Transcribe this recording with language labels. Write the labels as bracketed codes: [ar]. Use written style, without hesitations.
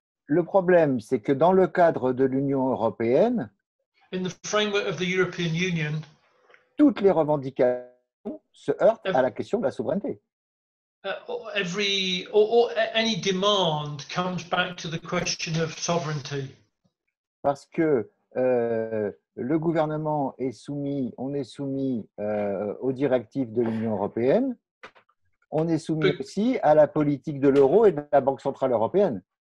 [fr] Le problème, c'est que dans le cadre de l'Union européenne, [en] in the framework of the European Union, [fr] toutes les revendications se heurtent à la question de la souveraineté. [en] Any demand comes back to the question of sovereignty. [fr] Parce que le gouvernement est soumis, on est soumis aux directives de l'Union européenne, on est soumis aussi à la politique de l'euro et de la Banque centrale européenne.